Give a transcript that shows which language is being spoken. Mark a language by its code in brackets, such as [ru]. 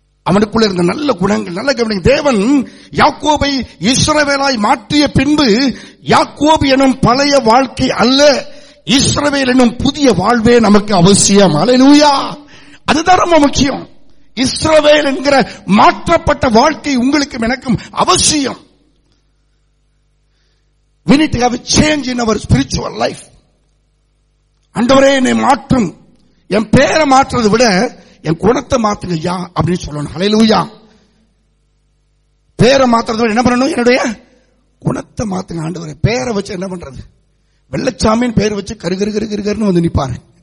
[ta] அவனுக்குள்ள இருந்த நல்ல குணங்கள், நல்ல கவனிங்க. தேவன் யாக்கோபை இஸ்ரவேலாய் மாற்றிய பின்பு யாக்கோபு எனும் பழைய வாழ்க்கை அல்ல, இஸ்ரவேல் எனும் புதிய வாழ்வே நமக்கு அவசியம். ஹலேலூயா. அதுதான் ரொம்ப முக்கியம். இஸ்ரவேல் என்கிற மாற்றப்பட்ட வாழ்க்கை உங்களுக்கும் எனக்கும் அவசியம். [en] We need to have a change in our spiritual life. [ta] ஆண்டவரே என்னை மாற்றும், என் பேரை மாற்றுறதை விட என் குணத்தை மாற்றுங்க ஐயா அப்படின்னு சொல்லணும். ஹலேலூயா. பேரை மாற்றுறத விட என்ன பண்ணணும், என்னுடைய குணத்தை மாத்துங்க ஆண்டவரே. பேரை வச்சு என்ன பண்றது, வெள்ளச்சாமியின் பேர் வச்சு கருகருகருகருன்னு வந்து நிப்பாரு.